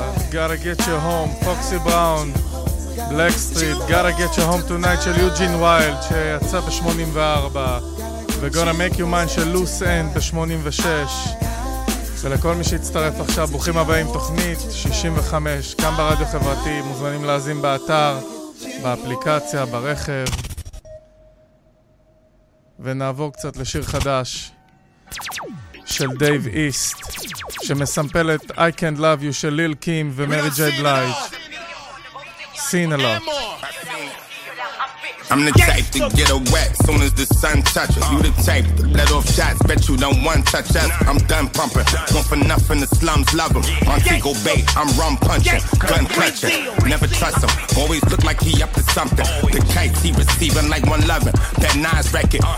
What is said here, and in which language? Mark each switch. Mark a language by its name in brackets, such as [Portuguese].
[Hebrew] Gotta get your home, Foxy Brown, Black Street, Gotta get your home tonight של יוג'ין ויילד שיצא ב-84, ו-Gonna make you mine של לוס אנד ב-86, ולכל מי שהצטרף עכשיו, ברוכים הבאים, תוכנית 65, כאן ברדיו חברתי, מוזמנים להזים באתר, באפליקציה, ברכב. ונעבור קצת לשיר חדש של דייב איסט, שמסמפל את I Can't Love You של ליל קים ומרי ג'יי בלייג'. [English] Seen a lot. I'm the type to get a wet soon as the sun touches. You the type to let off shots, bet you don't want touch us. I'm done pumping, one for nothing, the slums love him. Montego Bay, I'm rum punching, gun clutching. Never trust him, always look like he up to something. The kites, he receiving like 111, that Nas record.